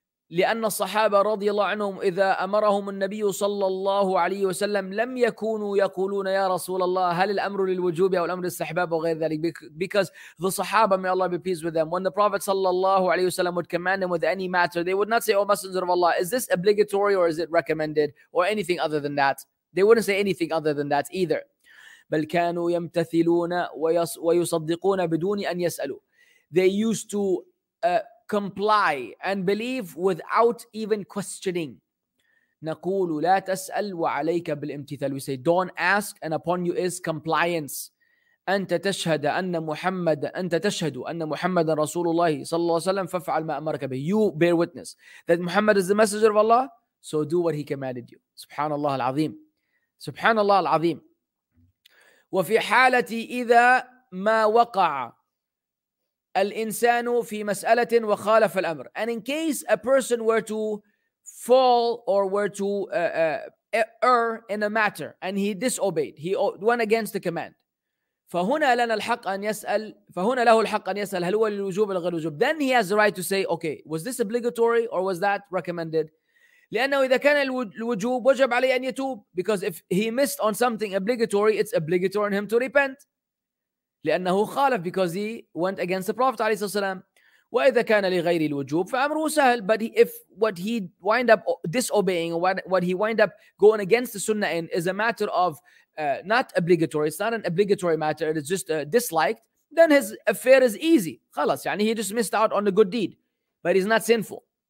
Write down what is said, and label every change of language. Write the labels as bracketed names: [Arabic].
[Arabic] لأن الصحابة رضي الله عنهم إذا أمرهم النبي صلى الله عليه وسلم لم يكونوا يقولون يا رسول الله هل الأمر للوجوب أو الأمر للاستحباب وغير ذلك. [English] Because the صحابة, may Allah be pleased with them, when the Prophet [Arabic] صلى الله عليه وسلم [English] would command them with any matter, they would not say, oh Messenger of Allah, is this obligatory or is it recommended or anything other than that. They wouldn't say anything other than that either. [Arabic] بل كانوا يمتثلون ويصدقون بدون أن يسألوا. [English] They used to comply and believe without even questioning. [Arabic] نقول لا تسأل وعليك بالامتثال. [English] We say don't ask and upon you is compliance. [Arabic] أنت تشهد أن محمد رسول الله صلى الله عليه وسلم فافعل ما أمرك به. [English] You bear witness that Muhammad is the messenger of Allah, so do what he commanded you. [Arabic] سبحان الله العظيم. وفي حالة إذا ما وقع الإنسان في مسألة وخالف الأمر. [English] And in case a person were to fall or were to err in a matter and he disobeyed, he went against the command. [Arabic] فهنا له الحق أن يسأل هل هو للوجوب أو غير الوجوب. [English] Then he has the right to say, okay, was this obligatory or was that recommended? [Arabic] لأنه إذا كان الوجوب وجب عليه أن يتوب. [English] Because if he missed on something obligatory, it's obligatory on him to repent. [Arabic] لأنه خالف, [English] because he went against the Prophet [Arabic] عليه الصلاة والسلام. وإذا كان لغير الوجوب فأمره سهل. [English] But if what he wind up disobeying, what he wind up going against the sunnah in is a matter of not obligatory, it's not an obligatory matter, it's just disliked, then his affair is easy. [Arabic] خلاص, يعني [English] he just missed out on a good deed. But he's not sinful.